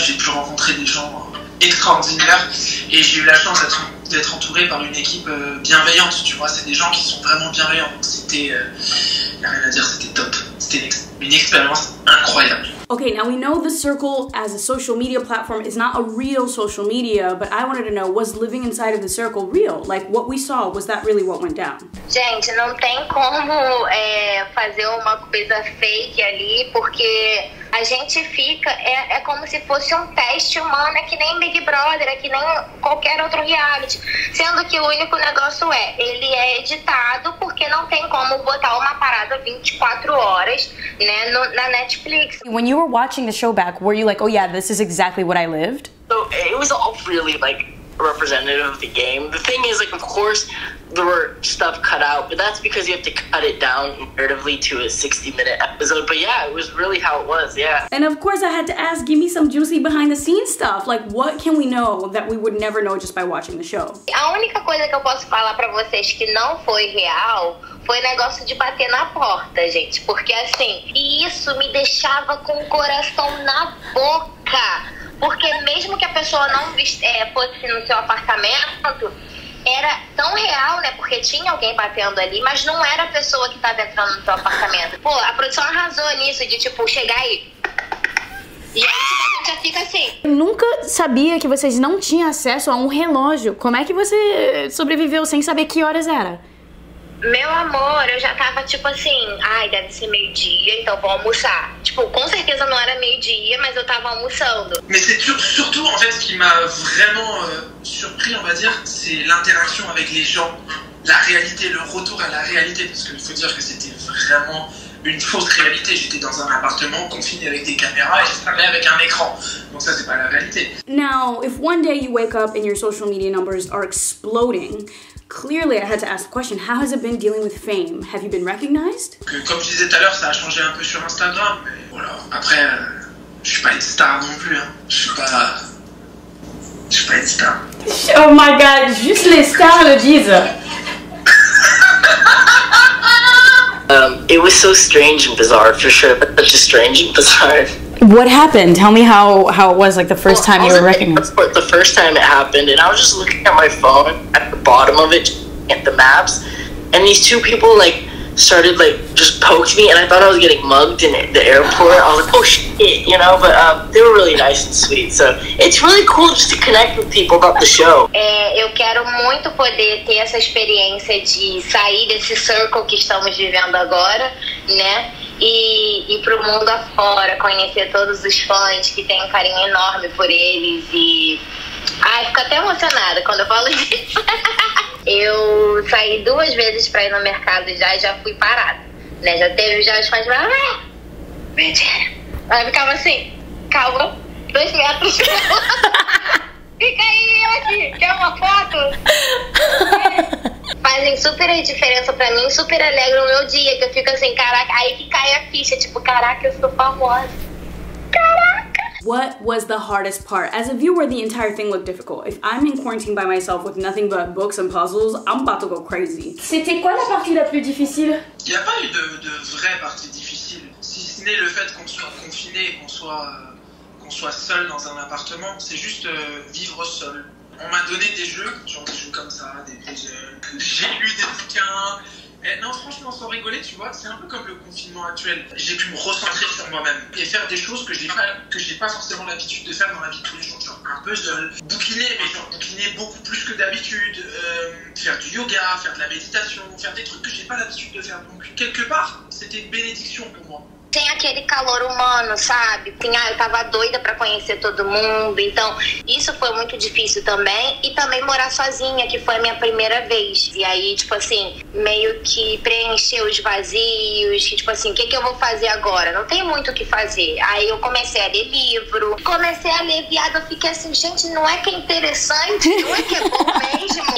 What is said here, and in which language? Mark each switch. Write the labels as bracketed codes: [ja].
[fr] J'ai pu rencontrer des gens extraordinaires et j'ai eu la chance d'être entouré par une équipe bienveillante. Tu vois, c'est des gens qui sont vraiment bienveillants. C'était, y a rien à dire, c'était top. C'était une expérience incroyable. [en] Okay, now we know The Circle as a social media platform is not a real social media, but I wanted to know, was living inside of The Circle real? Like, what we saw, was that really what went down? [pt] Gente, não tem como fazer uma coisa fake ali, porque a gente fica, é como se fosse um teste humano, é que nem Big Brother, é que nem qualquer outro reality. Sendo que o único negócio é, ele é editado, porque não tem como botar uma parada 24 horas, né, no, na Netflix. [en] When you were watching the show back, were you like, oh yeah, this is exactly what I lived? So it was all really, like, representative of the game. The thing is, like, of course, there were stuff cut out, but that's because you have to cut it down narratively to a 60-minute episode. But yeah, it was really how it was, yeah. And of course, I had to ask, give me some juicy behind-the-scenes stuff. Like, what can we know that we would never know just by watching the show? [pt] A única coisa que eu posso falar pra vocês que não foi real foi negócio de bater na porta, gente. Porque, assim, e isso me deixava com o coração na boca. Porque mesmo que a pessoa não fosse no seu apartamento, era tão real, né? Porque tinha alguém batendo ali, mas não era a pessoa que tava entrando no seu apartamento. Pô, a produção arrasou nisso de, tipo, chegar aí. E aí, tipo, a gente já fica assim. Eu nunca sabia que vocês não tinham acesso a um relógio. Como é que você sobreviveu sem saber que horas era? Meu amor, eu já tava, tipo assim, ai, deve ser meio-dia, então vou almoçar. Tipo, com certeza não era meio-dia, mas eu tava almoçando. Mas é [fr] surtout, en fait, ce qui m'a vraiment surpris, on va dire, c'est l'interaction avec les gens, la réalité, le retour à la réalité, parce qu'il faut dire que c'était vraiment une fausse réalité. J'étais dans un appartement confiné avec des caméras et je parlais avec un écran. Donc ça, c'est pas la réalité. [en] Now, if one day you wake up and your social media numbers are exploding, clearly, I had to ask the question, how has it been dealing with fame? Have you been recognized? [fr] Comme je disais tout à l'heure, ça a changé un peu sur Instagram, mais voilà. Après, je suis pas une star non plus, hein. Je suis pas une star. [en] Oh my god, [fr] juste les stars le disent. [en] It was so strange and bizarre, for sure, but just strange and bizarre. What happened? Tell me how it was, like, the first time you were recognized. The first time it happened, and I was just looking at my phone at the bottom of it, at the maps, and these two people, like, started, like, just poked me, and I thought I was getting mugged in the airport. I was like, oh, shit, you know? But they were really nice and sweet, so it's really cool just to connect with people about the show. [pt] Eu quero muito poder ter essa experiência de sair desse circle que estamos vivendo agora, né? E pro mundo afora, conhecer todos os fãs que têm um carinho enorme por eles e... Ai, fico até emocionada quando eu falo isso. Eu saí duas vezes pra ir no mercado já fui parada, né? Já teve já os fãs falando... Ah, mentira. Aí ficava assim, calma, 2 metros. Fica aí, eu aqui, quer uma foto? Fazem super a diferença pra mim, super alegram o meu dia, que eu fico assim, caraca, aí que cai a ficha, tipo, caraca, eu sou famosa. Caraca! [en] What was the hardest part? As a viewer, the entire thing looked difficult. If I'm in quarantine by myself with nothing but books and puzzles, I'm about to go crazy. [fr] C'était quoi la partie la plus difficile? Y'a pas eu de vraie partie difficile, si ce n'est le fait qu'on soit confiné, qu'on soit seul dans un appartement, c'est juste vivre seul. On m'a donné des jeux, genre des jeux comme ça, j'ai lu des bouquins. Et non, franchement, sans rigoler, tu vois, c'est un peu comme le confinement actuel. J'ai pu me recentrer sur moi-même et faire des choses que j'ai pas forcément l'habitude de faire dans la vie de tous les jours. Genre un puzzle, bouquiner, mais genre bouquiner beaucoup plus que d'habitude, faire du yoga, faire de la méditation, faire des trucs que j'ai pas l'habitude de faire. Donc quelque part, c'était une bénédiction pour moi. [pt] Tem aquele calor humano, sabe? Assim, ah, eu tava doida pra conhecer todo mundo, então isso foi muito difícil também. E também morar sozinha, que foi a minha primeira vez. E aí, tipo assim, meio que preencher os vazios, que, tipo assim, o que eu vou fazer agora? Não tem muito o que fazer. Aí eu comecei a ler livro, comecei a ler viado, eu fiquei assim, gente, não é que é interessante, não é que é bom mesmo?